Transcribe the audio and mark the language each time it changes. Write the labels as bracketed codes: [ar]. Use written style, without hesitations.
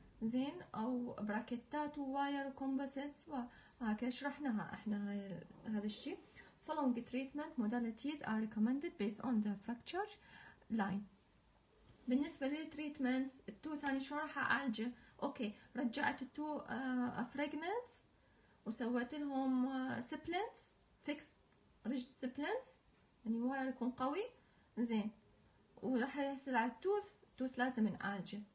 [ar] زين او براكتات وواير وكومبوزيتس وهكذا شرحناها احنا هذا الشيء. [en] following treatment modalities are recommended based on the fracture line. [ar] بالنسبه للتريتمنت التو ثاني شو راح اعالجه؟ اوكي رجعت التو فراجمنتس وسويت لهم سبلنتس فيكس ريجيد سبلنتس، يعني واير يكون قوي. زين وراح يحصل على التوث، التوث لازم نعالجه.